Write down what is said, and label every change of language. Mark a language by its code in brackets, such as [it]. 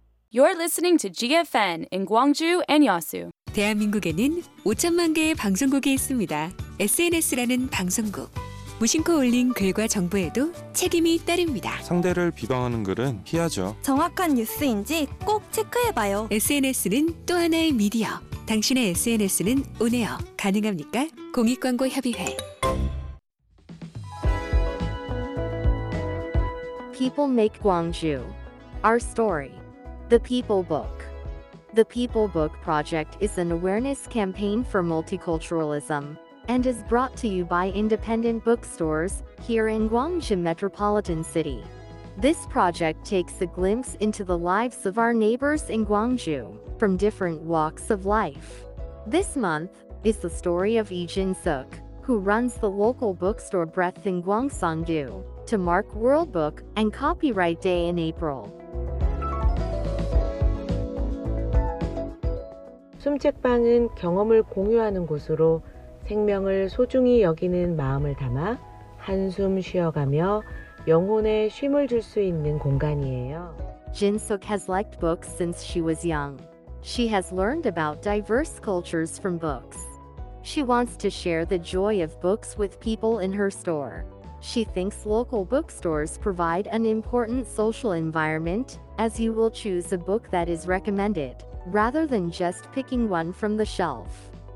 [en] You're listening to GFN in Gwangju and Yeosu. [ko] 대한민국에는 5천만 개의 방송국이 있습니다. SNS라는 방송국. 무심코 올린 글과 정보에도 책임이 따릅니다. 상대를 비방하는 글은 피하죠. 정확한 뉴스인지 꼭 체크해봐요. SNS는 또 하나의 미디어. 당신의 SNS는 온에어. 가능합니까? 공익광고협의회. [en] People make Gwangju. Our story. The People Book. The People Book Project is an awareness campaign for multiculturalism and is brought to you by independent bookstores here in Gwangju Metropolitan City. This project takes a glimpse into the lives of our neighbors in Gwangju from different walks of life. This month is the story of Lee Jin Suk, who runs the local bookstore Breath in Gwangsangju, to mark World Book and Copyright Day in April. [ko] 숨책방은 경험을 공유하는 곳으로 생명을 소중히 여기는 마음을 담아 한숨 쉬어가며 영혼에 쉼을 줄 수 있는 공간이에요. [en] Jin Suk has liked books since she was young. She has learned about diverse cultures from books. She wants to share the joy of books with people in her store. She thinks local bookstores provide an important social environment, as you will choose a book that is recommended, rather than just picking one from the shelf.